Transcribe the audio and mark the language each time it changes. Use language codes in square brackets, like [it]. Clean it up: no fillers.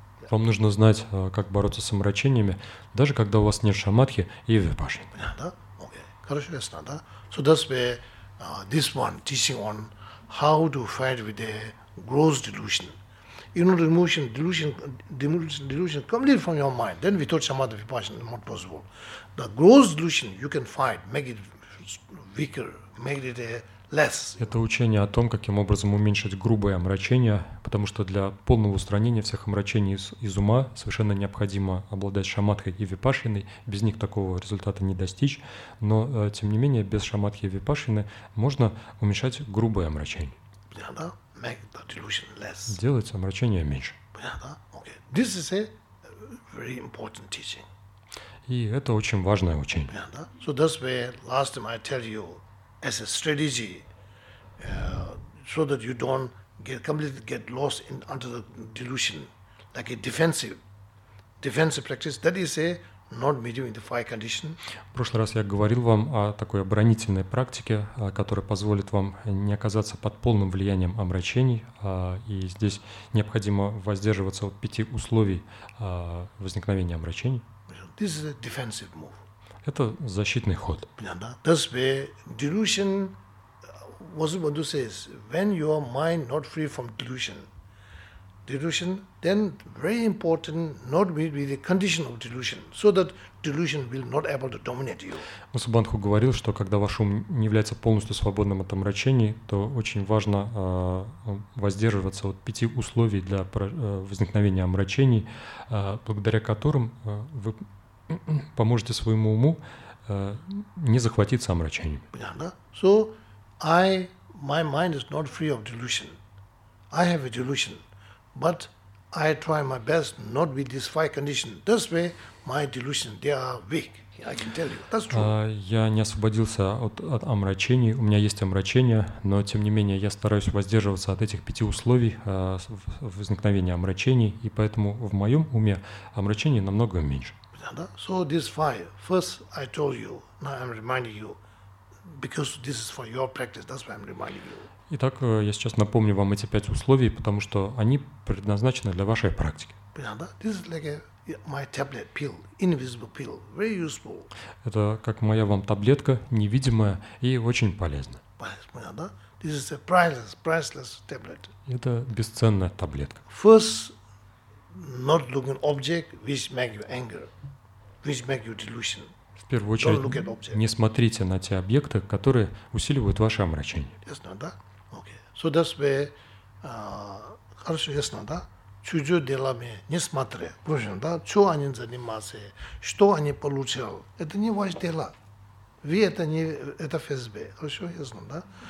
[ru] Вам нужно знать, как бороться с омрачениями, даже когда у вас нет шамадхи и випашьины. Понятно, да? Окей. Хорошо, ясно, да? [en] So that's where this one, teaching on how to fight with a gross delusion. You know, delusion completely from your mind. Then we taught samadhi vipassana, not possible. The gross delusion you can fight, make it weaker, make it less. [ru] Это учение о том, каким образом уменьшить грубое омрачение, потому что для полного устранения всех омрачений из ума совершенно необходимо обладать шамадхой и випашиной. Без них такого результата не достичь. Но, тем не менее, без шамадхи и випашины можно уменьшать грубое омрачение. Понятно? [en] Make the delusion less. [ru] Делать омрачение меньше. Понятно? [en] Okay. This is a very important teaching. [ru] И это очень важное учение. Понятно? [en] So that's where last time I tell you as a strategy, so that you don't get completely lost in under the delusion, like a defensive practice. That is a not meeting the five condition. [ru] В прошлый раз я говорил вам о такой оборонительной практике, которая позволит вам не оказаться под полным влиянием омрачений, и здесь необходимо воздерживаться от пяти условий возникновения омрачений. [en] This is a defensive move. [ru] Это защитный ход. Понятно? [en] That's where delusion, what the Buddha says, when your mind not free from delusion, then very important not be with the condition of delusion, so that delusion will not able to dominate you. [ru] Мусубанху говорил, что когда ваш ум не является полностью свободным от омрачений, то очень важно воздерживаться от пяти условий для возникновения омрачений, благодаря которым вы поможете своему уму не захватиться омрачением. Понятно? [en] So, my mind is not free of delusion. I have a delusion. But I try my best not with this five condition. This way, my delusion, they are weak. I can tell you. That's true. [ru] Я не освободился от омрачений. У меня есть омрачения, но, тем не менее, я стараюсь воздерживаться от этих пяти условий возникновения омрачений, и поэтому в моем уме омрачений намного меньше. [en] So this five. First, I told you. Now I'm reminding you, because this is for your practice. That's why I'm reminding you. [ru] Итак, я сейчас напомню вам эти пять условий, потому что они предназначены для вашей практики. [en] This is like my tablet pill, invisible pill, very useful. [ru] Это как моя вам таблетка, невидимая и очень полезная. [en] This is a priceless tablet. [ru] Это бесценная таблетка. [en] First, not looking object which make you anger. Which make you delusion. [ru] В первую очередь, не смотрите на те объекты, которые усиливают ваше омрачение. Ясно, да? Окей. [en] So that's where... [ru] Хорошо, ясно, да? Чужие делами не смотри. Впрочем, да? Чего они занимаются? Что они получили? Это не ваши дела. Вы это не... Это ФСБ. Хорошо, ясно, да?